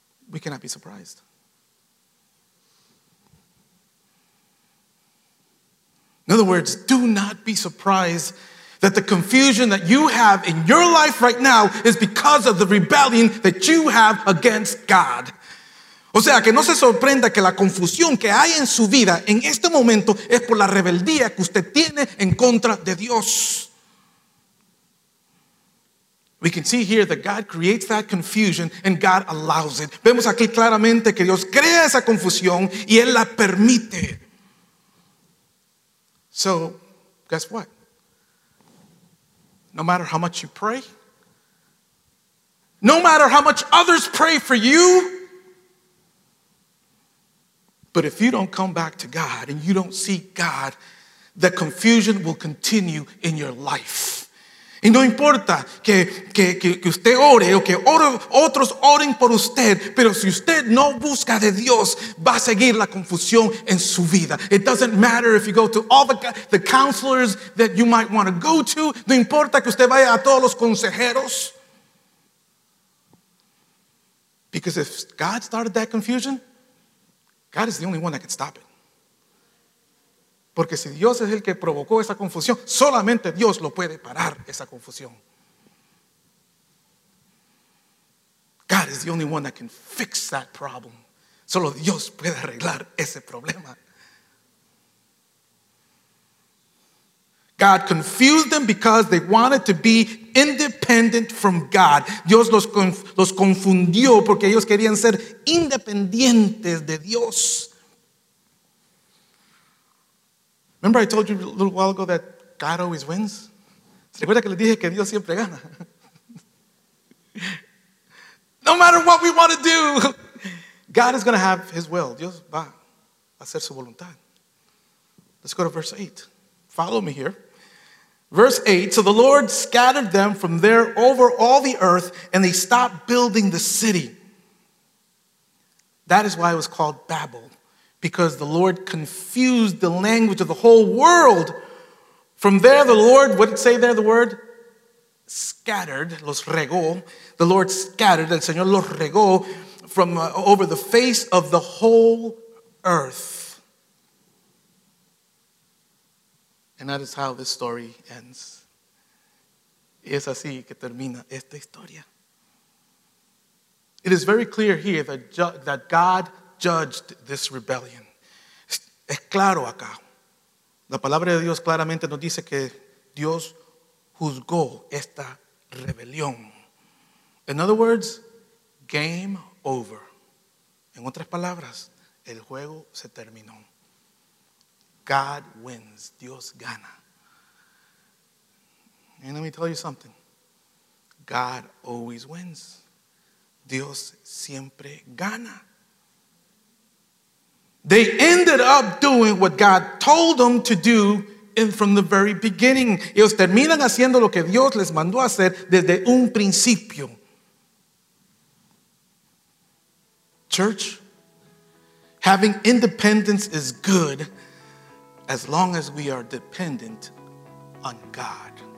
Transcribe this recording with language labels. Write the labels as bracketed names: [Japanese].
[English] We cannot be surprised. In other words, do not be surprised that the confusion that you have in your life right now is because of the rebellion that you have against God. [Spanish] O sea, que no se sorprenda que la confusión que hay en su vida en este momento es por la rebeldía que usted tiene en contra de Dios. [English] We can see here that God creates that confusion and God allows it. [Spanish] Vemos aquí claramente que Dios crea esa confusión y Él la permite. [English] So, guess what? No matter how much you pray, no matter how much others pray for you, but if you don't come back to God and you don't seek God, the confusion will continue in your life. [Spanish] Y no importa que usted ore o que otros oren por usted, pero si usted no busca de Dios, va a seguir la confusión en su vida. [English] It doesn't matter if you go to all the counselors that you might want to go to. [Spanish] No importa que usted vaya a todos los consejeros. [English] Because if God started that confusion, God is the only one that can stop it. [Spanish] Porque si Dios es el que provocó esa confusión, solamente Dios lo puede parar esa confusión. [English] God is the only one that can fix that problem. [Spanish] Solo Dios puede arreglar ese problema. [English] God confused them because they wanted to be independent from God. [Spanish] Dios los confundió porque ellos querían ser independientes de Dios. [English] Remember I told you a little while ago that God always wins? [Spanish] ¿Se recuerda que le dije que Dios siempre gana? [English] No matter what we want to do, God is going to have his will. [Spanish] Dios va a hacer su voluntad. [English] Let's go to verse 8. Follow me here. Verse 8, so the Lord scattered them from there over all the earth, and they stopped building the city. That is why it was called Babel. Because the Lord confused the language of the whole world. From there, the Lord, what did it say there, the word? Scattered, [Spanish] los regó. [English] The Lord scattered, [Spanish] el Señor los regó, [English] from over the face of the whole earth. And that is how this story ends. [Spanish] Y es así que termina esta historia. [English] It is very clear here that God judged this rebellion. [Spanish] Es claro acá. La palabra de Dios claramente nos dice que Dios juzgó esta rebelión. [English] In other words, game over. [Spanish] En otras palabras, el juego se terminó. [English] God wins. [Spanish] Dios gana. [English] And let me tell you something. God always wins. [Spanish] Dios siempre gana. [English] They ended up doing what God told them to do from the very beginning. [Spanish] Ellos terminan haciendo lo que Dios les mandó hacer desde un principio. [English] Church, having independence is good as long as we are dependent on God.